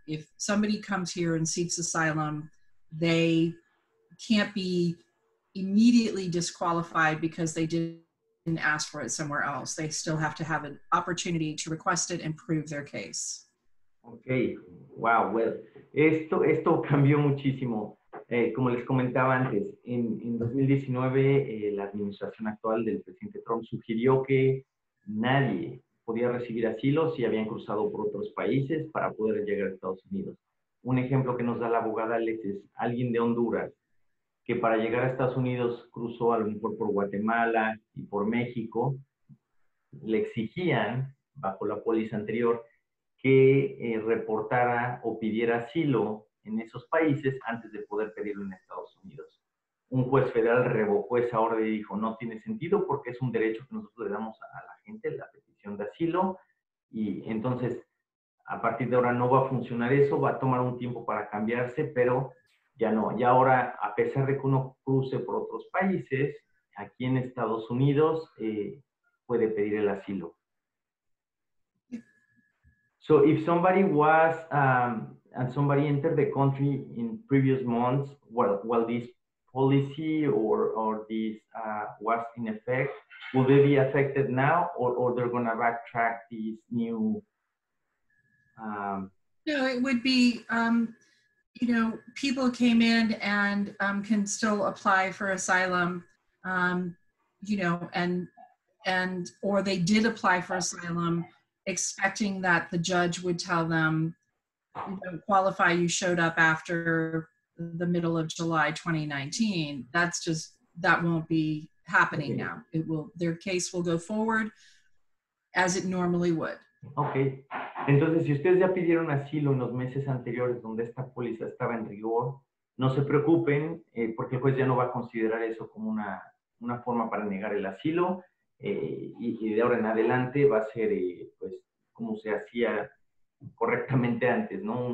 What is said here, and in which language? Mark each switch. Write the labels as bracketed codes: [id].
[en] If somebody comes here and seeks asylum, they can't be immediately disqualified because they didn't ask for it somewhere else. They still have to have an opportunity to request it and prove their case. [es] Okay, wow, well, esto cambió muchísimo. Como les comentaba antes, en 2019 la administración actual del presidente Trump sugirió que nadie podía recibir asilo si habían cruzado por otros países para poder llegar a Estados Unidos. Un ejemplo que nos da la abogada Alex es alguien de Honduras que para llegar a Estados Unidos cruzó a lo mejor por Guatemala y por México. Le exigían, bajo la póliza anterior, que reportara o pidiera asilo en esos países antes de poder pedirlo en Estados Unidos. Un juez federal revocó esa orden y dijo, no tiene sentido porque es un derecho que nosotros le damos a la gente, la petición de asilo, y entonces a partir de ahora no va a funcionar eso, va a tomar un tiempo para cambiarse, pero ya no. Y ahora, a pesar de que uno cruce por otros países, aquí en Estados Unidos puede pedir el asilo. [en] So if somebody was and somebody entered the country in previous months while this policy or this was in effect, will they be affected now or they're going to backtrack these new... No, it would be, you know, people came in and can still apply for asylum, you know, and or they did apply for asylum expecting that the judge would tell them, you know, qualify, you showed up after the middle of July 2019. That's just, that won't be happening okay. Now. It will, their case will go forward as it normally would. Okay. [es] Entonces, si ustedes ya pidieron asilo en los meses anteriores donde esta póliza estaba en rigor, no se preocupen, porque el juez ya no va a considerar eso como una forma para negar el asilo. Y de ahora en adelante va a ser, pues, como se hacía correctamente antes, ¿no?